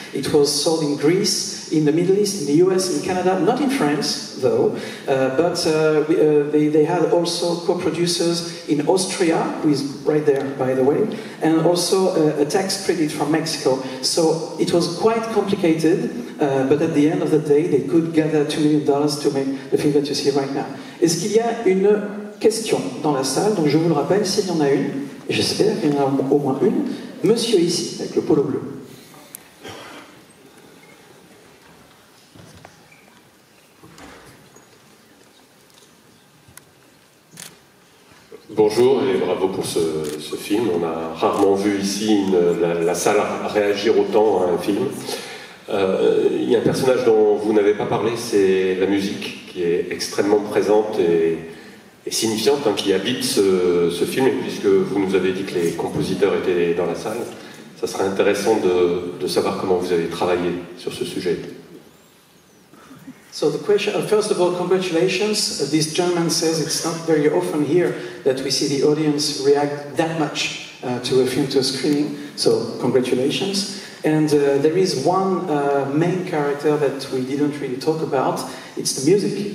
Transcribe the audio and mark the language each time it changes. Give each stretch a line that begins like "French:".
English: It was sold in Greece, in the Middle East, in the US, in Canada, not in France, though, but they had also co-producers in Austria, who is right there, by the way, and also a tax credit from Mexico. So it was quite complicated, but at the end of the day, they could gather $2 million to make the film that you see right now.
French: Est-ce qu'il y a une question dans la salle? Donc je vous le rappelle, s'il y en a une, j'espère qu'il y en a au moins une, monsieur ici, avec le polo bleu. Bonjour et bravo pour ce film. On a rarement vu ici la salle réagir autant à un film. Il y a un personnage dont vous n'avez pas parlé, c'est la musique, qui est extrêmement présente et signifiante, hein, qui habite ce film. Et puisque vous nous avez dit que les compositeurs étaient dans la salle, ça serait intéressant de savoir comment vous avez travaillé sur ce sujet.
English: So the question, first of all, congratulations. This gentleman says it's not very often here that we see the audience react that much to a film, to a screening. So congratulations. And there is one main character that we didn't really talk about. It's the music.